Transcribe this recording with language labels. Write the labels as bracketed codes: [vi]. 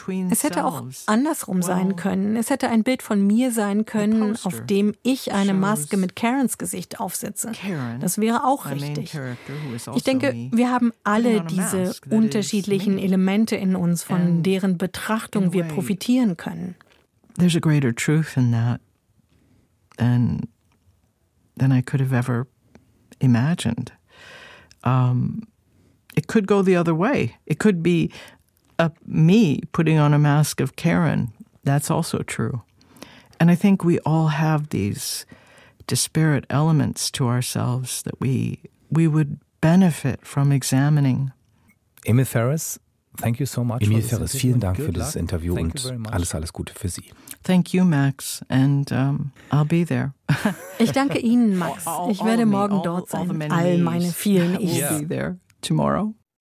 [de] Es hätte auch andersrum sein können. Es hätte ein Bild von mir sein können, auf dem ich eine Maske mit Karens Gesicht aufsetze. Das wäre auch richtig. Ich denke, wir haben alle diese unterschiedlichen Elemente in uns, von deren Betrachtung wir profitieren können. [en] There's a greater truth in that than I could have ever imagined. It could go the other way. It could be me putting on a mask of Karen. That's also true. And I think we all have these disparate elements to ourselves that we would benefit from examining. Emil Ferris, thank you so much. [de] Emil Ferris, vielen Dank für das Interview und alles, alles Gute für Sie. [en] Thank you, Max, and I'll be there. [de] Ich danke Ihnen, Max. Ich werde morgen dort sein. All meine vielen Ichs. [en] I'll be there tomorrow.